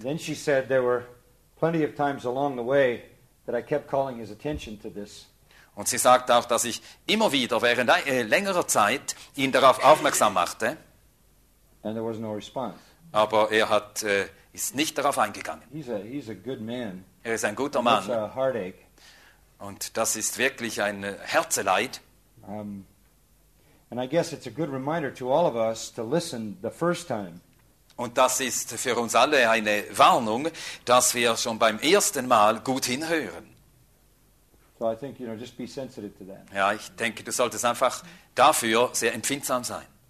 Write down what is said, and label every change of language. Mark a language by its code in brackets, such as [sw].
[en] Then she said there were plenty of times along the way that I kept calling his attention to this. [de] Und sie sagt auch, dass ich immer wieder während längerer Zeit ihn darauf aufmerksam machte. [en] And there was no response. [de] Aber ist nicht darauf eingegangen. [en] He's a good man. [de] Er ist ein guter Mann. [en] That's a heartache. [de] Und das ist wirklich ein Herzeleid. [en] And I guess it's a good reminder to all of us to listen the first time. [de] Und das ist für uns alle eine Warnung, dass wir schon beim ersten Mal gut hinhören. [en] So I think, you know, just be sensitive to that. [de] Ja, ich denke, du solltest einfach dafür sehr empfindsam sein.